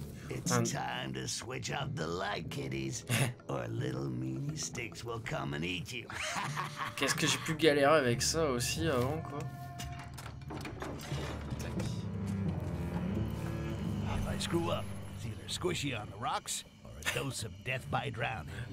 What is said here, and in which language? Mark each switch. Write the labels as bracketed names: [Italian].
[English] It's time to switch out the light, kiddies, or little meanie sticks will come and eat you. [French] Qu'est-ce que j'ai pu galérer avec ça aussi avant, quoi. Tac. [English] If I screw up, it's either squishy on the rocks or a dose of death by drowning.